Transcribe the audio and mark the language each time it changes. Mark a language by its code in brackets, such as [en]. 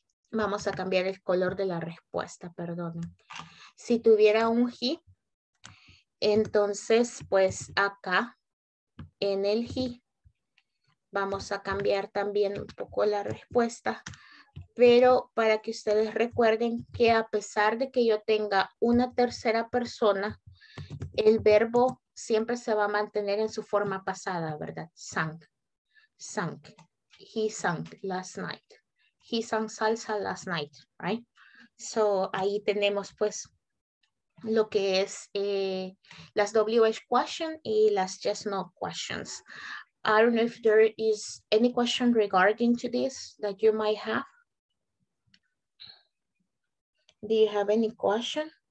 [es] Vamos a cambiar el color de la respuesta, perdón. Si tuviera un he, entonces, pues acá, en el he, vamos a cambiar también un poco la respuesta, pero para que ustedes recuerden que a pesar de que yo tenga una tercera persona, el verbo siempre se va a mantener en su forma pasada, ¿verdad? [en] Sang, sang, he sang last night. He sang salsa last night, right? [es] So ahí tenemos pues lo que es las WH questions y las just no questions. [en] I don't know if there is any question regarding to this that you might have. Do you have any question?